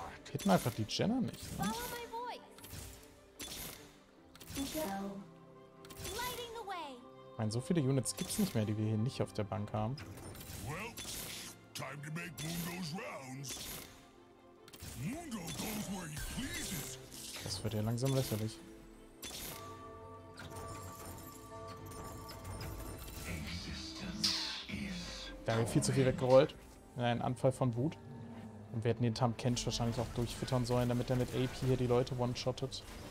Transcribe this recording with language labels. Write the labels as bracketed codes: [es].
[de] Hitten einfach die Jenna nicht, ne? Ich meine, so viele Units gibt es nicht mehr, die wir hier nicht auf der Bank haben. [en] Well, time to make Mundo's rounds. Mundo goes where he pleases. [de] Das wird ja langsam lächerlich. Da haben wir viel zu viel weggerollt. In einen Anfall von Wut. Und wir hätten den Tam Kench wahrscheinlich auch durchfüttern sollen, damit er mit AP hier die Leute one-shottet.